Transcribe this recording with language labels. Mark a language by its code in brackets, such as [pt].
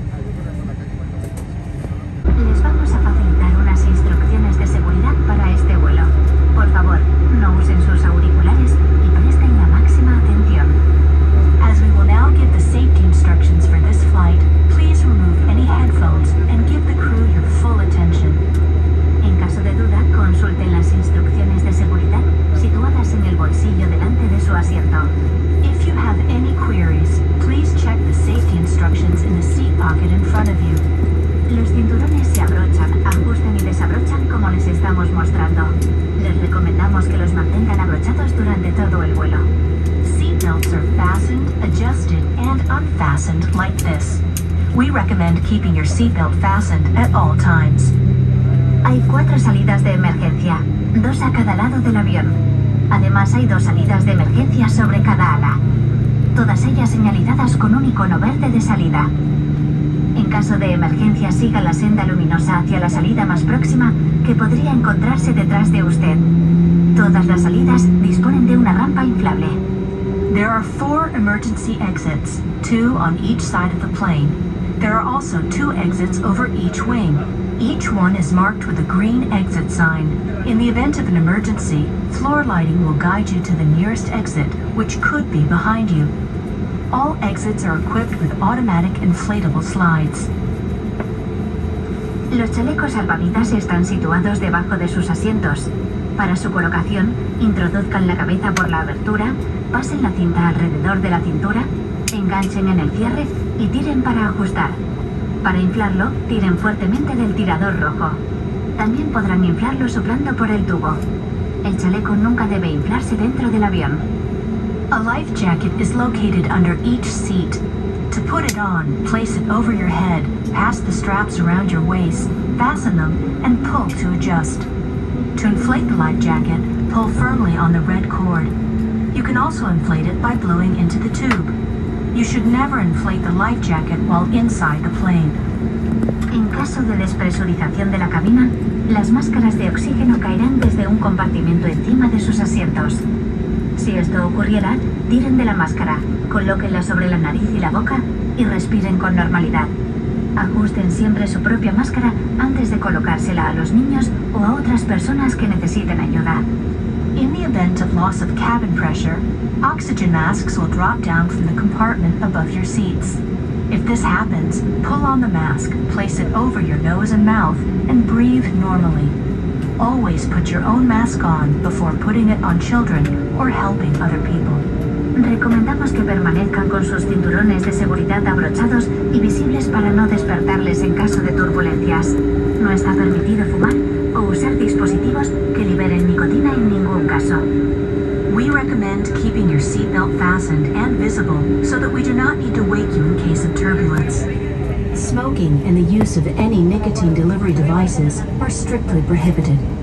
[es] Les vamos a facilitar unas instrucciones de seguridad para este vuelo. Por favor, no usen sus auriculares y presten la máxima atención. [en] As we will now give the safety instructions for this flight, please remove any headphones and give the crew your full attention. [es] En caso de duda, consulten las instrucciones de seguridad situadas en el bolsillo delante de su asiento. [en] If you have any queries, please check the safety instructions in the seat pocket in front of you. [es] Los cinturones se abrochan, ajustan y desabrochan como les estamos mostrando. Les recomendamos que los mantengan abrochados durante todo el vuelo. [en] Seatbelts are fastened, adjusted, and unfastened like this. We recommend keeping your seatbelt fastened at all times. [es] Hay cuatro salidas de emergencia, dos a cada lado del avión. Además, hay dos salidas de emergencia sobre cada ala, todas ellas señalizadas con un icono verde de salida. En caso de emergencia, siga la senda luminosa hacia la salida más próxima que podría encontrarse detrás de usted. Todas las salidas disponen de una rampa inflable. [en] There are four emergency exits, two on each side of the plane. There are also two exits over each wing. Each one is marked with a green exit sign. In the event of an emergency, floor lighting will guide you to the nearest exit, which could be behind you. All exits are equipped with automatic inflatable slides. [es] Los chalecos salvavidas están situados debajo de sus asientos. Para su colocación, introduzcan la cabeza por la abertura, pasen la cinta alrededor de la cintura, enganchen en el cierre y tiren para ajustar. Para inflarlo, tiren fuertemente del tirador rojo. También podrán inflarlo soplando por el tubo. El chaleco nunca debe inflarse dentro del avión. [en] A life jacket is located under each seat. To put it on, place it over your head, pass the straps around your waist, fasten them, and pull to adjust. To inflate the life jacket, pull firmly on the red cord. You can also inflate it by blowing into the tube. You should never inflate the life jacket while inside the plane. [es] En caso de despresurización de la cabina, las máscaras de oxígeno caerán desde un compartimento encima de sus asientos. Si esto ocurriera, tiren de la máscara, colóquenla sobre la nariz y la boca y respiren con normalidad. Ajusten siempre su propia máscara antes de colocársela a los niños o a otras personas que necesiten ayuda. [en] In the event of loss of cabin pressure, oxygen masks will drop down from the compartment above your seats. If this happens, pull on the mask, place it over your nose and mouth, and breathe normally. Always put your own mask on before putting it on children or helping other people. [es] Recomendamos que permanezcan con sus cinturones de seguridad abrochados y visibles para no despertarles en caso de turbulencias. No está permitido fumar o usar dispositivos que liberen nicotina en ningún caso. [en] We recommend keeping your seatbelt fastened and visible so that we do not need to wake you in case of turbulence. Smoking and the use of any nicotine delivery devices are strictly prohibited.